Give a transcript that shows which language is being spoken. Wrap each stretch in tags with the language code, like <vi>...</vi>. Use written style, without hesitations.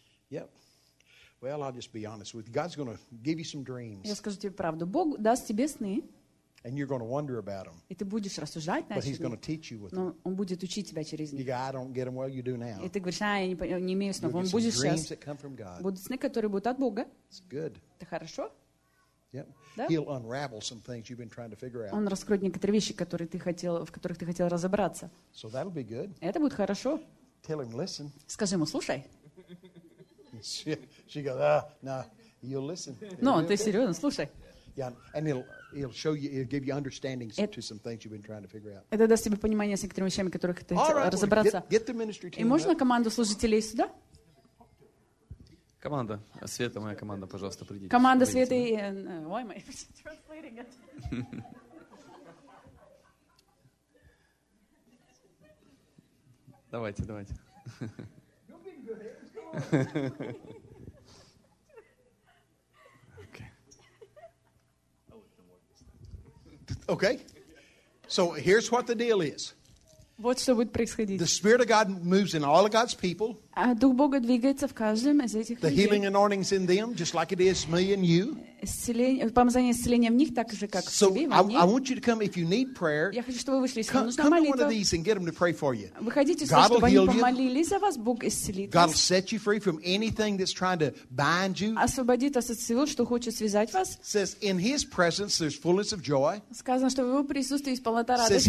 <en>Yep. Well, I'll just be honest with you. God's going to give you some dreams.</en> <ru>Я скажу тебе правду. Бог даст тебе сны.</ru> <en>And you're going to wonder about them.</en> <ru>И ты будешь рассуждать над ними.</ru> <en>But he's going to teach you with them.</en> <ru>Но он будет учить тебя через них.</ru> <en>You go, I don't get them. Well, you do now.</en> <ru>И ты говоришь, а я не имею снов. Он будет сейчас.</ru> <en>Dreams that come from God.</en> <ru>Будут сны, которые будут от Бога.</ru> <en>It's good.</en> <ru>Это хорошо.</ru> <en>Yep.</en> <ru>Да?</ru> <en>He'll unravel some things you've been trying to figure out.</en> <ru>Он раскроет некоторые вещи, которые ты хотел, в которых ты хотел разобраться.</ru> <en>So that'll be good.</en> <ru>Это будет хорошо.</ru> <en>Tell him, listen.</en> <ru>Скажи ему, слушай.</ru> <en>She goes, ah, no, you'll listen.</en> <ru>Ну, ты серьезно, слушай.</ru> <en>Yeah, and he'll show you, he'll give you understanding to some things you've been trying to figure out.</en> <ru>Это даст тебе понимание с некоторыми вещами, которых ты хотел разобраться.</ru> <en>All right, get the ministry team.</en> <ru>И можно команду служителей сюда? Команда, Света, моя команда, пожалуйста, придите. Команда Света и...</ru> <en>Why am I translating it?</en> <ru>Давайте, давайте.</ru> <en>Okay. So here's what the deal is.</en> <ru>Вот что будет происходить.</ru> <en>The Spirit of God moves in all of God's people.</en> <ru>Дух Бога двигается в каждом из этих людей.</ru> <en>The healing anointing's in them, just like it is me and you.</en> <ru>Помазание исцеления в них так же, как в тебе, во мне.</ru> <en>I want you to come if you need prayer.</en> <ru>Я хочу, чтобы вы вышли, если нужна молитва.</ru> <en>Come to one of these and get them to pray for you.</en> <ru>Выходите, чтобы они помолились за вас, Бог исцелит вас.</ru> <en>God will set you free from anything that's trying to bind you.</en> <ru>Освободит вас от всего, что хочет связать вас.</ru> <en>Says in His presence there's fullness of joy.</en> <ru>Сказано, что в Его присутствии есть полнота радости.</ru>